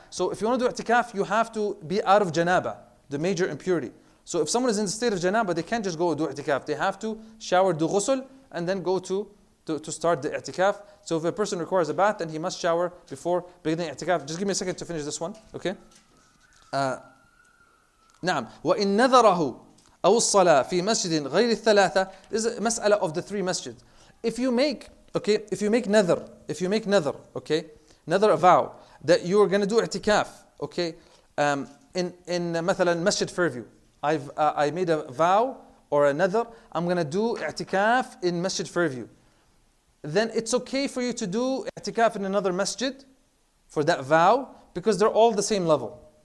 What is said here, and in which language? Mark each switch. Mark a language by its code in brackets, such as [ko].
[en] So if you want to do i'tikaf, you have to be out of janaba, the major impurity. So if someone is in the state of janaba, they can't just go do i'tikaf. They have to shower, do ghusl, and then go to start the i'tikaf. So if a person requires a bath, then he must shower before beginning i'tikaf. Just give me a second to finish this one. Okay. [ar] نعم. وإن نذره أو الصلاة في مسجد غير الثلاثة. [en] This is a mas'ala of the three masjids. If you make nadhr, okay, nadhr, a vow that you're going to do i'tikaf, okay, in مثلاً Masjid Fairview, I made a vow or a nadhr, I'm going to do i'tikaf in Masjid Fairview, then it's okay for you to do i'tikaf in another masjid for that vow because they're all the same level.